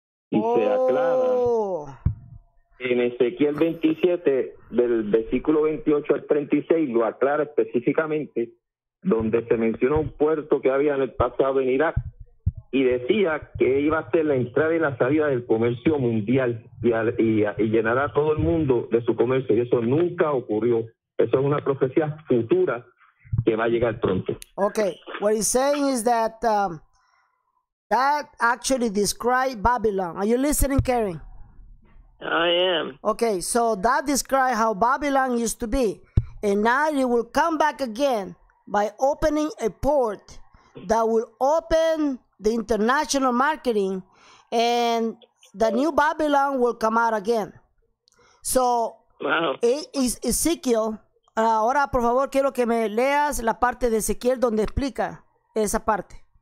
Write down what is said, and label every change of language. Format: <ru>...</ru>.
<es>Y se aclara en Ezequiel 27, del versículo 28 al 36, lo aclara específicamente, donde se menciona un puerto que había en el pasado en Irak y decía que iba a ser la entrada y la salida del comercio mundial y llenará a todo el mundo de su comercio. Y eso nunca ocurrió. Eso es una profecía futura que va a llegar pronto.</es> <en>Okay, what he's saying is that that actually describes Babylon. Are you listening, Karen? I am. Okay, so that describes how Babylon used to be. And now it will come back again by opening a port that will open the international marketing and the new Babylon will come out again. So,</en> <es>Ezequiel, ahora por favor quiero que me leas la parte de Ezequiel donde explica esa parte.</es>